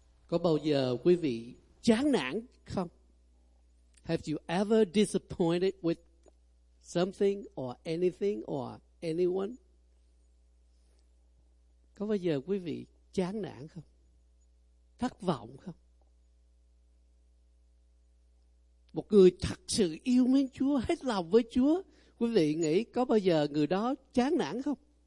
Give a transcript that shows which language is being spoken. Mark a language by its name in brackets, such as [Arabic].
[Vietnamese] Có bao giờ quý vị chán nản không? [English] Have you ever disappointed with something or anything or anyone? [Vietnamese] Có bao giờ quý vị chán nản không? Thất vọng không? Một người thật sự yêu mến Chúa, hết lòng với Chúa, quý vị nghĩ có bao giờ người đó chán nản không?